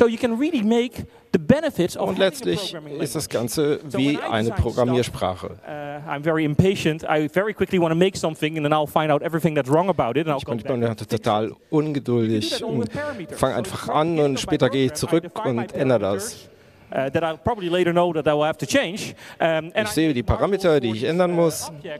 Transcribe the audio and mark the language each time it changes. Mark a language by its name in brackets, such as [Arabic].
[German] Und letztlich ist das Ganze wie eine Programmiersprache. [English] I'm very impatient. I very quickly want to make something and then I'll find out everything that's wrong about it. [German] Ich bin total ungeduldig. Fang einfach an und später gehe ich zurück und ändere das. [English] That I'll probably later know that I will have to change. [German] Ich sehe die Parameter, die ich ändern muss.